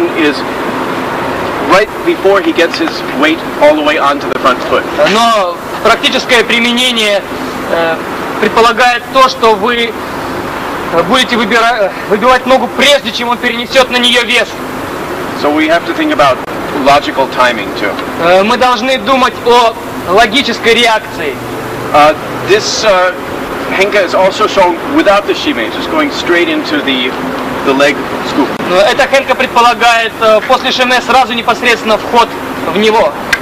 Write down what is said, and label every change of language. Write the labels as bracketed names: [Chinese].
[English] is right before he gets his weight all the way onto the front foot. [Russian] Но практическое применение предполагает то, что вы будете выбивать ногу прежде, чем он перенесет на нее вес. [English] So we have to think about logical timing too. [Russian] Мы должны думать о логической реакции. [English] This Henke is also shown without the shimmies, just going straight into the leg scoop. [Russian] Это Хенка предполагает после шиме сразу непосредственно вход в него.